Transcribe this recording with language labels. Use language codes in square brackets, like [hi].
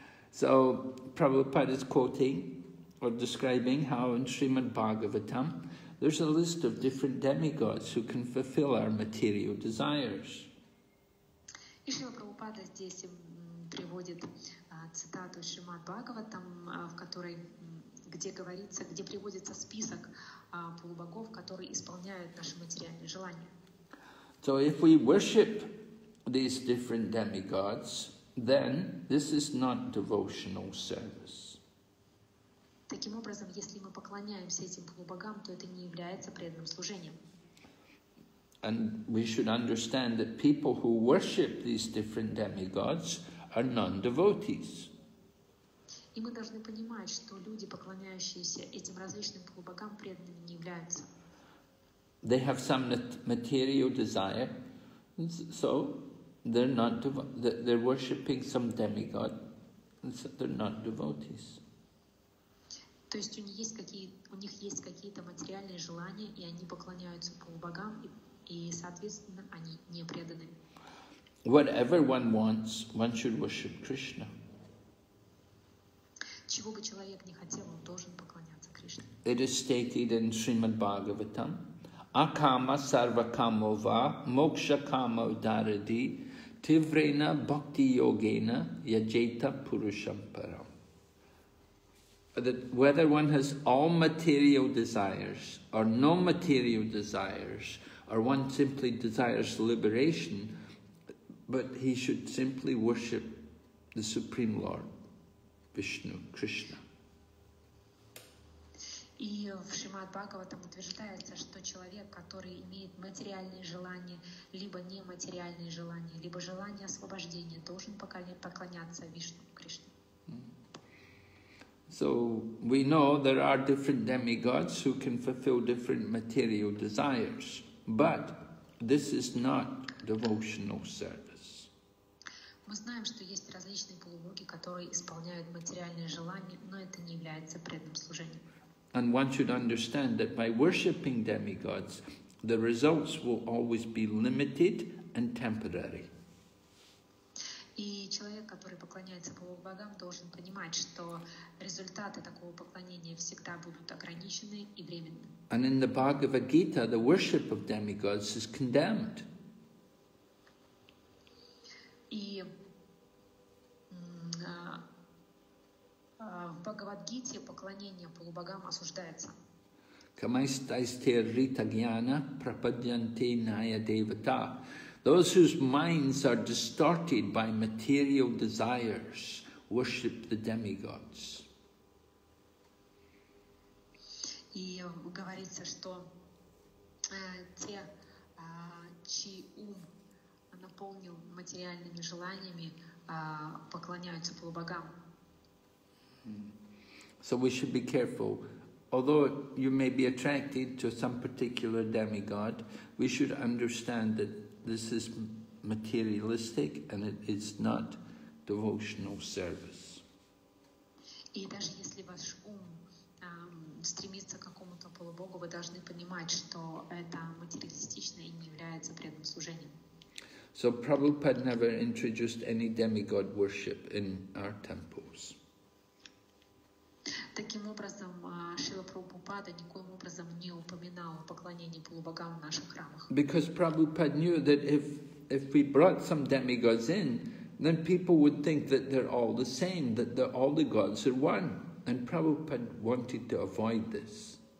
[en] So Prabhupada is quoting or describing how in Srimad Bhagavatam there's a list of different demigods who can fulfill our material desires. [ru] И Шрила Прабхупада здесь приводит цитату из Шримад Бхагаватам, в которой где говорится, где приводится список полубогов, которые исполняют наши материальные желания. [en] So if we worship these different demigods, then this is not devotional service. [ru] Таким образом, если мы поклоняемся этим полубогам, то это не является преданным служением. [en] And we should understand that people who worship these different demigods are non-devotees. [ru] И мы должны понимать, что люди, поклоняющиеся этим различным полубогам, преданными не являются. [en] They have some material desire, so they're not they're worshipping some demigod, and so they're not devotees. [ru] То есть у них есть какие-то материальные желания, и они поклоняются полубогам, и соответственно они не преданы. [en] Whatever one wants, one should worship Krishna. [ru] Чего бы человек ни хотел, он должен поклоняться Кришне. [en] It is stated in Srimad Bhagavatam, [sa] Akama sarvakamo va moksha kama udaradi tivrena bhakti yogena yajeta purusham param. [en] That whether one has all material desires or no material desires, or one simply desires liberation, but he should simply worship the Supreme Lord, Vishnu, Krishna. [ru] И в Шримад Бхагаватам утверждается, что человек, который имеет материальные желания, либо нематериальные желания, либо желание освобождения, должен поклоняться Вишну, Кришне. [en] So we know there are different demigods who can fulfill different material desires, but this is not devotional service. [ru] Мы знаем, что есть различные полубоги, которые исполняют материальные желания, но это не является преданным служением. [en] And one should understand that by worshipping demigods, the results will always be limited and temporary. [ru] И человек, который поклоняется полубогам, должен понимать, что результаты такого поклонения всегда будут ограничены и временны. [en] And in the Bhagavad Gita, the worship of demigods is condemned. [ru] И в Бхагавад-гите поклонение полубогам осуждается. [sa] Камайстайстер рита гьяна прападьянте ная девата. [en] Those whose minds are distorted by material desires worship the demigods. [ru] И говорится, что те, чей ум наполнил материальными желаниями, поклоняются полубогам. [en] So we should be careful. Although you may be attracted to some particular demigod, we should understand that this is materialistic and it is not devotional service. [ru] И даже если ваш ум стремится к какому-то полубогу, вы должны понимать, что это материалистично и не является преданным служением. [en] So Prabhupada never introduced any demigod worship in our temples. [ru] Таким образом, Шрила Прабхупада никоим образом не упоминал поклонение полубогам в наших храмах. [en] Because Prabhupada knew that if we brought some demigods in, then people would think that they're all the same, that all the gods are one. And Prabhupada wanted to avoid this.